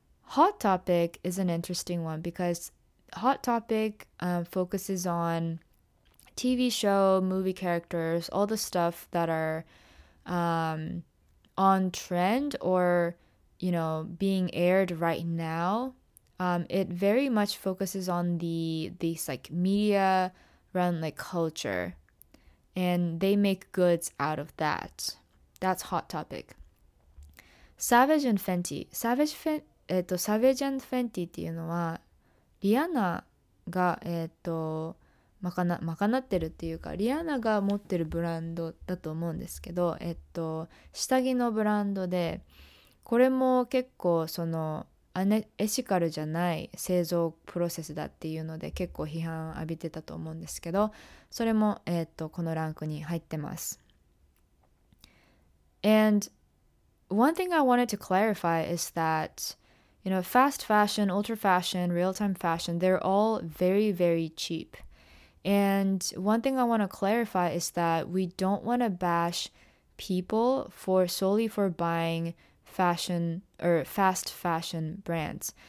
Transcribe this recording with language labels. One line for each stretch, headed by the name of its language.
English: Hot Topic is an interesting one because Hot Topic focuses on TV show, movie characters, all the stuff that are,on trend or, you know, being aired right now. It very much focuses on these like media run like culture, and they make goods out of that. That's Hot Topic. Savage and Fenty.
Japanese: Savage and Fenty っていうのはリアナがまかなってるっていうか、リアナが持ってるブランドだと思うんですけど、下着のブランドで、これも結構そのエシカルじゃない製造プロセスだっていうので結構批判浴びてたと思うんですけど、それもこのランクに入ってます。
English: And one thing I wanted to clarify is thatyou know, fast fashion, ultra fashion, real time fashion, they're all very very cheapAnd one thing I want to clarify is that we don't want to bash people solely for buying fashion or fast fashion brands.